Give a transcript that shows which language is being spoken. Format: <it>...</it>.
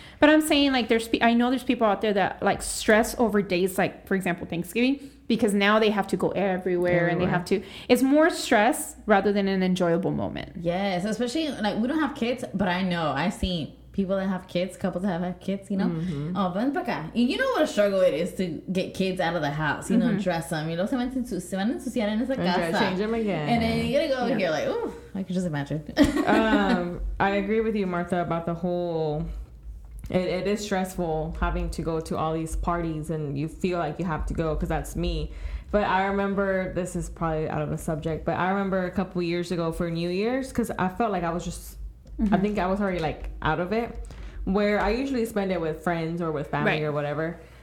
<en>But I'm saying, like, I know there's people out there that, like, stress over days, like, for example, Thanksgiving, because now they have to go everywhere and they have to. It's more stress rather than an enjoyable moment. Yes, especially, like, we don't have kids, but I know. I've seen people that have kids, couples that have kids, you know. Mm-hmm.</en> <es>Oh, ven para acá.</es> <en>You know what a struggle it is to get kids out of the house, you know, dress them. You know,</en> <es>se van a ensuciar en esa casa.</es> <en>Change them again. And then you gotta go over here, like, ooh, I can just imagine. I agree with you, Martha, about the whole... It is stressful having to go to all these parties and you feel like you have to go, because that's me. But I remember, this is probably out of the subject, but I remember a couple years ago for New Year's, because I felt like I was just, I think I was already like out of it, where I usually spend it with friends or with family or whatever.</en>